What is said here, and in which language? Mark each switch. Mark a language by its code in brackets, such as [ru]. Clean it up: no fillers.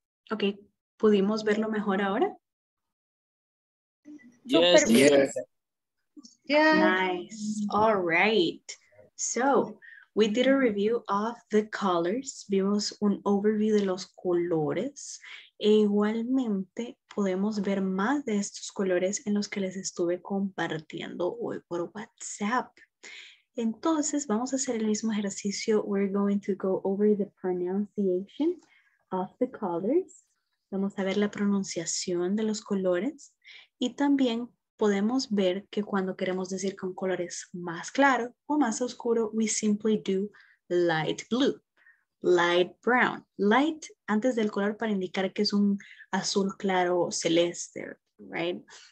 [es] Okay, ¿pudimos verlo mejor ahora? [en] Yes, yes. Nice. All right. So, we did a review of the colors. [es] Vimos un overview de los colores. E igualmente, podemos ver más de estos colores en los que les estuve compartiendo hoy por WhatsApp. Entonces, vamos a hacer el mismo ejercicio. [en] We're going to go over the pronunciation of the colors. [es] Vamos a ver la pronunciación de los colores. Y también podemos ver que cuando queremos decir con colores más claro o más oscuro, [en] we simply do light blue, light brown. [es] Light antes del color para indicar que es un azul claro o celeste, right?